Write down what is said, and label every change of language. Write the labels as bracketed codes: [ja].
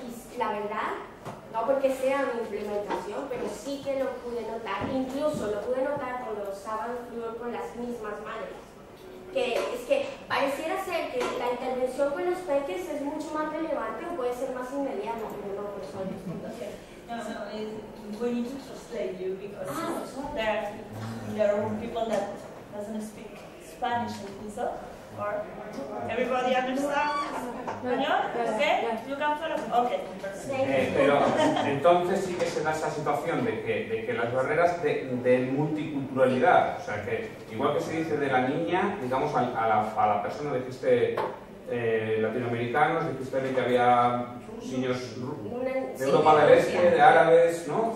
[es] Y la verdad, no porque sea mi implementación, pero sí que lo pude notar, incluso lo pude notar con los sábados, con las mismas madres. Que es que pareciera ser que la intervención con los peques es mucho más relevante o puede ser más inmediata, pero no, por eso. [en] No, we need to translate you because there are people that doesn't speak Spanish and so or everybody understands? No, okay, you can follow. Okay. [es] Pero entonces sí que se da esa situación de que las barreras de multiculturalidad, o sea que igual que se dice de la niña, digamos a la persona dijiste latinoamericanos, dijiste que había niños de Europa del Este, de árabes, ¿no?